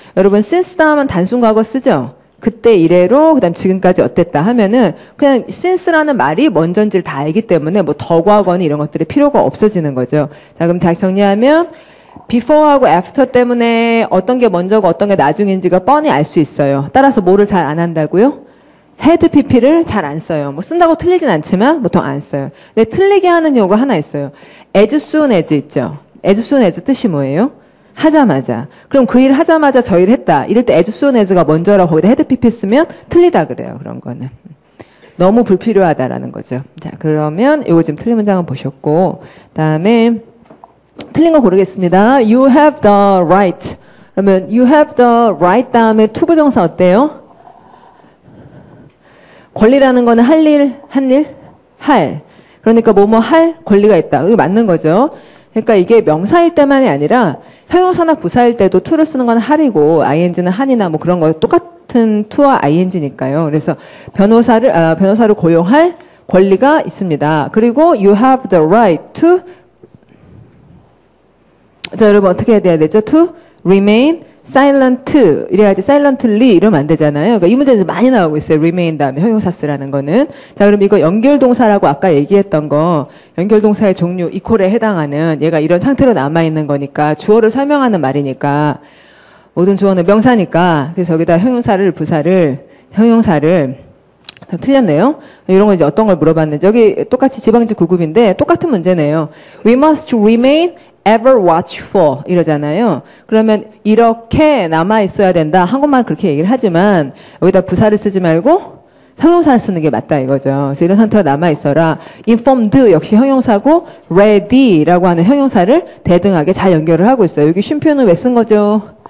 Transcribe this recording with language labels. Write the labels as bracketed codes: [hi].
[ko] 여러분 since 다음은 단순 과거 쓰죠? 그때 이래로 그다음 지금까지 어땠다 하면은 그냥 since라는 말이 뭔전지를 다 알기 때문에 뭐 더 과거는 이런 것들이 필요가 없어지는 거죠. 자 그럼 다시 정리하면 before하고 after 때문에 어떤 게 먼저고 어떤 게 나중인지가 뻔히 알 수 있어요. 따라서 뭐를 잘 안 한다고요? head pp를 잘 안 써요. 뭐 쓴다고 틀리진 않지만 보통 안 써요. 근데 틀리게 하는 경우가 하나 있어요. as soon as 있죠. as soon as 뜻이 뭐예요? 하자마자. 그럼 그 일을 하자마자 저 일을 했다. 이럴 때 as soon as가 먼저라고 거기다 head pp 쓰면 틀리다 그래요. 그런 거는. 너무 불필요하다라는 거죠. 자, 그러면 요거 지금 틀린 문장은 보셨고, 다음에 틀린 거 고르겠습니다. [en] You have the right. [ko] 그러면 [en] you have the right [ko] 다음에 to 부정사 어때요? 권리라는 거는 할 일, 한 일? 할. 그러니까 뭐뭐 할 권리가 있다. 그게 맞는 거죠. 그러니까 이게 명사일 때만이 아니라 형용사나 부사일 때도 to를 쓰는 건 할이고 ing는 한이나 뭐 그런 거 똑같은 to와 ing니까요. 그래서 변호사를 고용할 권리가 있습니다. 그리고 [en] you have the right to [ko] 자 여러분 어떻게 해야 되죠? [en] to remain silent [ko] 이래야지 silently 이러면 안 되잖아요. 그러니까 이 문제에서 많이 나오고 있어요. remain 다음에 형용사 쓰라는 거는. 자 그럼 이거 연결동사라고 아까 얘기했던 거 연결동사의 종류 equal에 해당하는 얘가 이런 상태로 남아있는 거니까 주어를 설명하는 말이니까 모든 주어는 명사니까 그래서 여기다 형용사를 부사를 형용사를 틀렸네요. 이런 거 이제 어떤 걸 물어봤는지 여기 똑같이 지방직 구급인데 똑같은 문제네요. [en] we must remain ever watchful [ko] 이러잖아요. 그러면 이렇게 남아 있어야 된다. 한국말 그렇게 얘기를 하지만 여기다 부사를 쓰지 말고 형용사를 쓰는 게 맞다 이거죠. 그래서 이런 상태가 남아 있어라. informed 역시 형용사고 ready라고 하는 형용사를 대등하게 잘 연결을 하고 있어요. 여기 쉼표는 왜 쓴 거죠?